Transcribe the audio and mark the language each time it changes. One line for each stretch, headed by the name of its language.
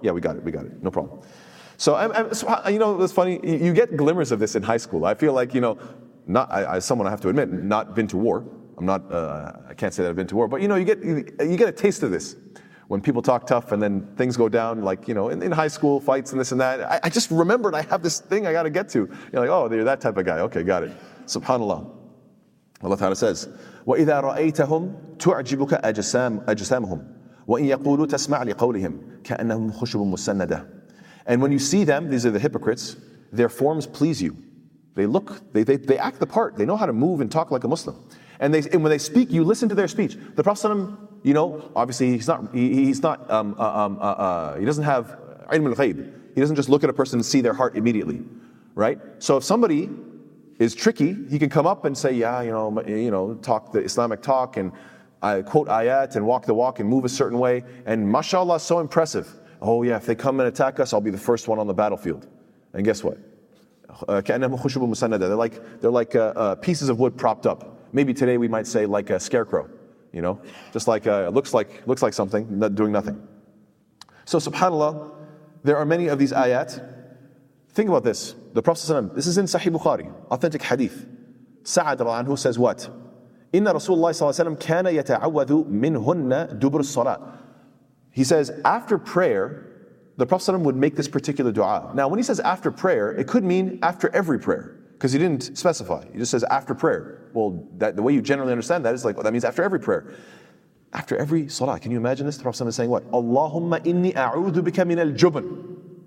English: Yeah, we got it, no problem. So, you know, it's funny, you get glimmers of this in high school. I feel like, you know, I have to admit, not been to war. I can't say that I've been to war, but you know, you get a taste of this when people talk tough and then things go down, like, you know, in high school fights and this and that. I just remembered I have this thing I got to get to. You're like, oh, you're that type of guy. Okay, got it. Subhanallah. Allah Ta'ala says,
Arabic: وَإِذَا رَأَيْتَهُمْ تُعْجِبُكَ أَجْسَامُهُمْ وَإِنْ يَقُولُوا تَسْمَعْ لِقَوْلِهِمْ كَأَنَّهُمْ خُشُبٌ مُسَنَّدَةٌ.
English: And when you see them, these are the hypocrites, their forms please you. They look, they act the part. They know how to move and talk like a Muslim. And when they speak, you listen to their speech. The Prophet, you know, obviously he doesn't have ilm al-ghayb. He doesn't just look at a person and see their heart immediately, right? So if somebody is tricky, he can come up and say, yeah, you know, talk the Islamic talk and I quote ayat and walk the walk and move a certain way. And mashallah, so impressive. Oh yeah, if they come and attack us, I'll be the first one on the battlefield. And guess what? They're like pieces of wood propped up. Maybe today we might say like a scarecrow, you know, just like looks like something, not doing nothing. So subhanAllah, there are many of these ayat. Think about this. The Prophet ﷺ, this is in Sahih Bukhari, authentic hadith. Sa'ad رضي الله عنه says what?
Arabic: Inna Rasulullah صلى الله عليه وسلم كان يتعوذ منهن دبر الصلاة.
English: He says after prayer, the Prophet ﷺ would make this particular dua. Now, when he says after prayer, it could mean after every prayer, because he didn't specify. He just says after prayer. Well, that, the way you generally understand that is like, well, that means after every prayer. After every salah, can you imagine this? The Prophet ﷺ is saying what?
Arabic: Allahumma inni a'udhu bika min al-jubn.